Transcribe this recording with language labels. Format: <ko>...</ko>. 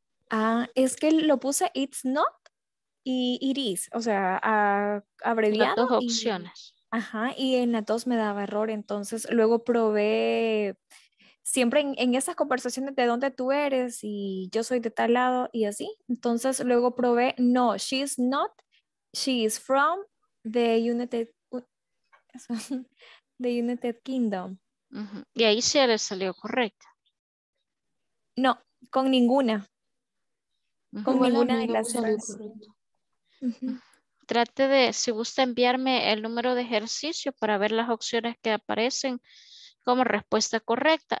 <es>Ah, es que lo puse</es> <en>it's not</en> <es>y</es> <en>it is,</en> <es>o sea, abreviado. Las dos opciones. Ajá, y en las dos me daba error, entonces luego probé... Siempre en esas conversaciones de dónde tú eres y yo soy de tal lado y así. Entonces luego probé, no,</es> <en>she's not, she is from the United Kingdom.</en> <es>Uh-huh. Y ahí sí le salió correcta. No, con ninguna. Uh-huh. Con bueno, ninguna de las otras. Trate de, si gusta enviarme el número de ejercicio para ver las opciones que aparecen como respuesta correcta.</es>